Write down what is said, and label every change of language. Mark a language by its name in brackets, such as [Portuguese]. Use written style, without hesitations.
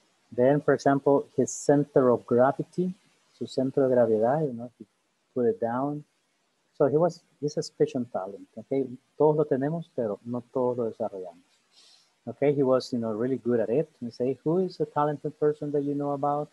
[English] Then, for example, his center of gravity, [Spanish] su centro de gravedad, [English] you know, he put it down. So he's a special talent, okay? [Spanish] Todos lo tenemos, pero no todos lo desarrollamos. [English] Okay, he was, you know, really good at it. You say, who is a talented person that you know about?